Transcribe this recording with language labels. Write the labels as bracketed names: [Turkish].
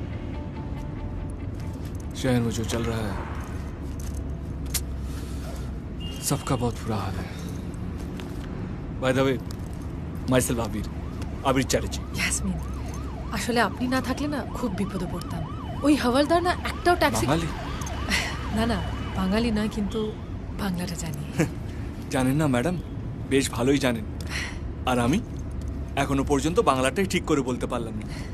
[Hindi] शहर में जो चल रहा है सबका बहुत बुरा हाल है। [English] By the way, myself Abir, Abir Chatterjee. Yes, mean. [Bangla] আসলে আপনি না থাকলে না খুব বিপদে পড়তাম। ওই হাওলদার না একটাও ট্যাক্সি বাঙালি না না বাঙালি না কিন্তু বাংলাটা জানি। জানেন না ম্যাডাম, বেশ ভালোই জানেন। আর আমি এখনো পর্যন্ত বাংলাটাই ঠিক করে বলতে পারলাম না।